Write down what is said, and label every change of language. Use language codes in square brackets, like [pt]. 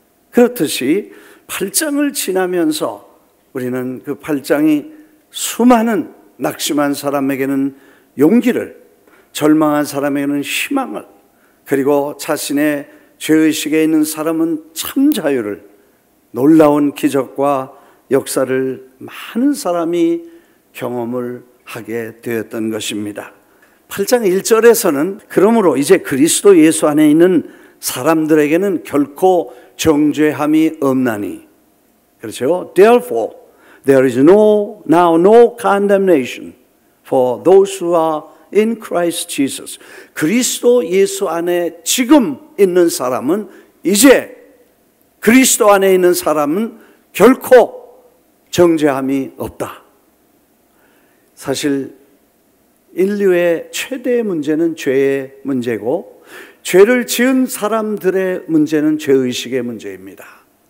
[ko] 그렇듯이 8장을 지나면서 우리는 그 8장이 수많은 낙심한 사람에게는 용기를, 절망한 사람에게는 희망을, 그리고 자신의 죄의식에 있는 사람은 참 자유를, 놀라운 기적과 역사를 많은 사람이 경험을 하게 되었던 것입니다. 8장 1절에서는 그러므로 이제 그리스도 예수 안에 있는 사람들에게는 결코 정죄함이 없나니, 그렇죠? [en] Therefore, there is no condemnation for those who are in Christ Jesus. [ko] 그리스도 예수 안에 지금 있는 사람은, 이제 그리스도 안에 있는 사람은 결코 정죄함이 없다. 사실 인류의 최대의 문제는 죄의 문제고, 죄를 지은 사람들의 문제는 죄의식의 문제입니다.